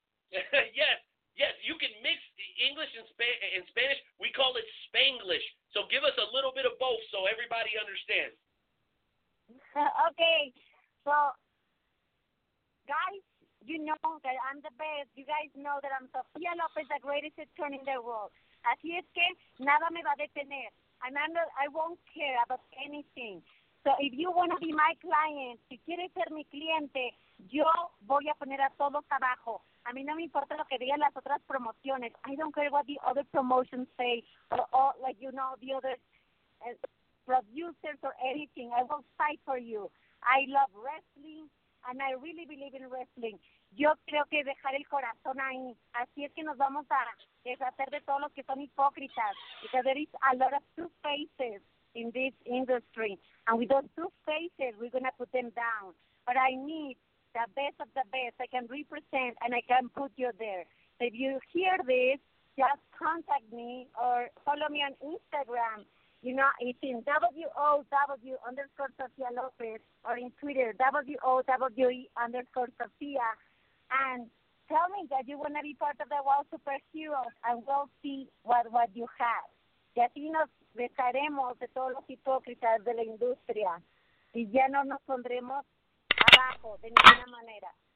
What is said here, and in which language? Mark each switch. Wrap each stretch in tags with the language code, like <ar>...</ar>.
<en>Yes. Yes, you can mix English and Spanish. We call it Spanglish. So give us a little bit of both so everybody understands. Okay. So, guys, you know that I'm the best. You guys know that I'm Sofia Lopez, the greatest attorney in the world.</en> <es>Así es que nada me va a detener.</es> <en>I won't care about anything. So if you want to be my client,</en> <es>si quieres ser mi cliente, yo voy a poner a todos abajo. A mí no me importa lo que digan las otras promociones.</es> <en>I don't care what the other promotions say or all, like, you know, the other producers or anything. I will fight for you. I love wrestling, and I really believe in wrestling. Yo creo que dejar el corazón ahí. Así es que nos vamos a deshacer de todos los que son hipócritas. Because there is a lot of two faces in this industry. And with those two faces, we're going to put them down. But I need the best of the best. I can represent and I can put you there. So if you hear this, just contact me or follow me on Instagram. You know, it's in WOW_SofiaLopez or in Twitter, WOWE_Sofia. And tell me that you want to be part of the WOW Superheroes and we'll see what you have.</en> <es>Y así nos dejaremos de todos los hipócritas de la industria. Y ya no nos pondremos abajo de ninguna manera.</es>